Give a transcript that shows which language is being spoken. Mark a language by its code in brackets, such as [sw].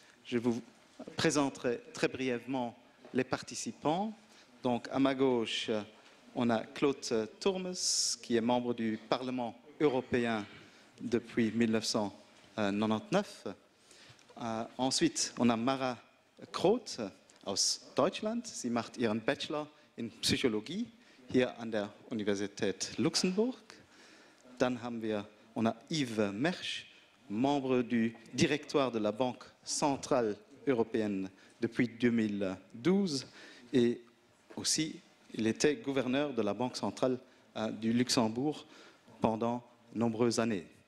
[fr] Je vous présenterai très brièvement les participants. Donc à ma gauche, on a Claude Turmes, qui est membre du Parlement européen depuis 1999. Ensuite, on a Mara Kroth [de] aus Deutschland. Sie macht ihren Bachelor in Psychologie hier an der Universität Luxemburg. Dann haben wir, [fr] on a Yves Mersch, membre du Directoire de la Banque Centrale Européenne depuis 2012. Et aussi, il était gouverneur de la Banque Centrale du Luxembourg pendant nombreuses années.